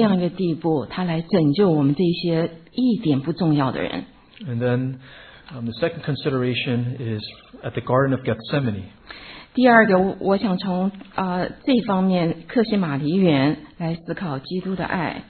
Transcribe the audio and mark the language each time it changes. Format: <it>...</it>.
<zh>神的儿子既然愿意屈己降卑到这样一个地步，他来拯救我们这些。</zh> <en>And then the second consideration is at the Garden of Gethsemane.</en> <zh>第二个，我想从这方面克西马尼园来思考基督的爱。</zh>